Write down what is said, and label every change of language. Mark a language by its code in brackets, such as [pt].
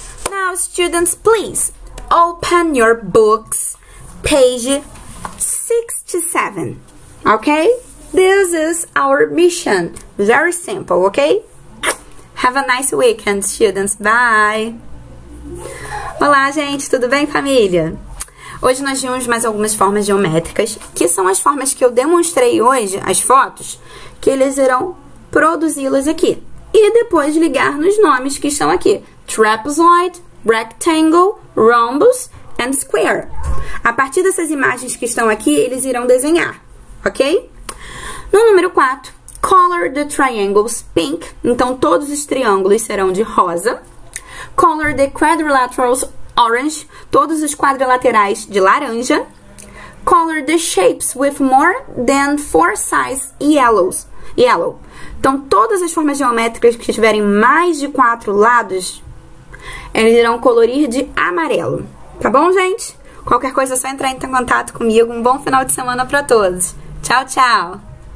[en] Now, students, please open your books, page 67. Okay? This is our mission. Very simple, ok? Have a nice weekend, students. Bye! [pt] Olá, gente! Tudo bem, família? Hoje nós vimos mais algumas formas geométricas, que são as formas que eu demonstrei hoje, as fotos, que eles irão produzi-las aqui. E depois ligar nos nomes que estão aqui: [en] trapezoid, rectangle, rhombus and square. [pt] A partir dessas imagens que estão aqui, eles irão desenhar, ok? No número 4, [en] color the triangles pink. [pt] Então, todos os triângulos serão de rosa. [en] Color the quadrilaterals orange. [pt] Todos os quadrilaterais de laranja. [en] Color the shapes with more than four sides yellows. Yellow. [pt] Então, todas as formas geométricas que tiverem mais de quatro lados, eles irão colorir de amarelo. Tá bom, gente? Qualquer coisa é só entrar em contato comigo. Um bom final de semana para todos. Tchau, tchau!